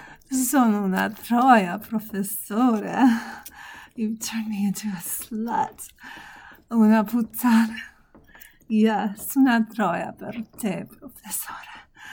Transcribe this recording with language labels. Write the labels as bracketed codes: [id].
[it] Sono una troia, professore. [en] You've turned me into a slut. [it] Una puttana. Yes, una troia per te, professore.